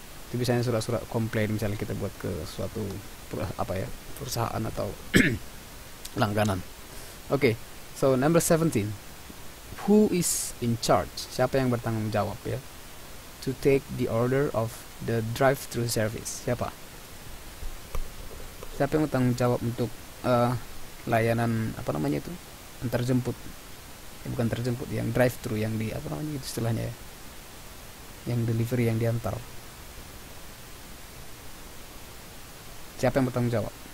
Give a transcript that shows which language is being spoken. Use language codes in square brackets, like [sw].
[id] Itu misalnya surat-surat komplain misalnya kita buat ke suatu apa ya, perusahaan atau langganan. Oke. [en] Okay, so number 17. Who is in charge? [id] Siapa yang bertanggung jawab ya? [en] To take the order of the drive-through service. [id] Siapa? siapa yang bertanggung jawab untuk layanan apa namanya itu, antar jemput, ya, bukan antar jemput, yang drive thru, yang di apa namanya itu istilahnya ya, yang delivery, yang diantar, siapa yang bertanggung jawab?